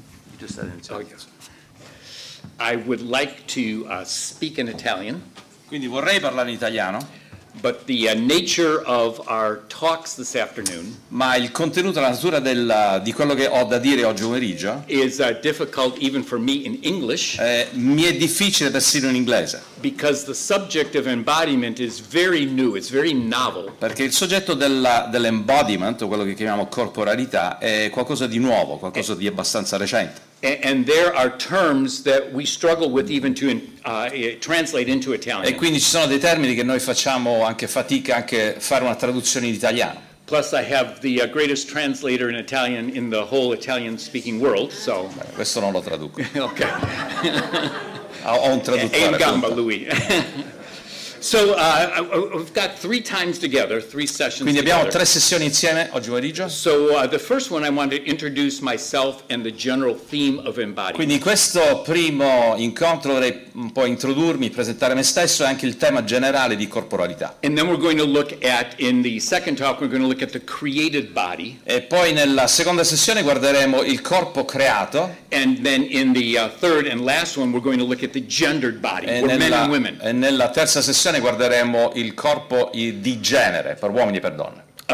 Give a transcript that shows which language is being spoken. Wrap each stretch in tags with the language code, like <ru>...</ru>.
<en>You just said it in Italian. Oh, yes. I would like to speak in Italian.</en> <it>Quindi vorrei parlare in italiano.</it> <en>But the nature of our talks this afternoon.</en> <it>Ma il contenuto, la natura di quello che ho da dire oggi pomeriggio.</it> <en>Is difficult even for me in English.</en> <it>Mi è difficile persino in inglese.</it> <en>Because the subject of embodiment is very new. It's very novel.</en> <it>Perché il soggetto dell'embodiment, o quello che chiamiamo corporalità, è qualcosa di nuovo, qualcosa di abbastanza recente.</it> <en>And there are terms that we struggle with even to translate into Italian.</en> <it>E quindi ci sono dei termini che noi facciamo anche fatica anche fare una traduzione in italiano.</it> <en>Plus I have the greatest translator in Italian in the whole Italian speaking world, so.</en> <it>Beh, questo non lo traduco.</it> <en>Okay.</en> <it>Ho un traduttore. In gamba,</it> <en>Louis. So we've got three times together, three sessions.</en> <it>Quindi abbiamo</it> <en>together.</en> <it>Tre sessioni insieme oggi pomeriggio.</it> <en>So the first one I want to introduce myself and the general theme of embodiment.</en> <it>Quindi questo primo incontro vorrei un po' introdurmi, presentare me stesso e anche il tema generale di corporalità.</it> <en>And then we're going to look at in the second talk we're going to look at the created body.</en> <it>E poi nella seconda sessione guarderemo il corpo creato.</it> <en>And then in the third and last one we're going to look at the gendered body, for men and women.</en> <it>E nella terza sessione guarderemo il corpo di genere per uomini e per donne.</it>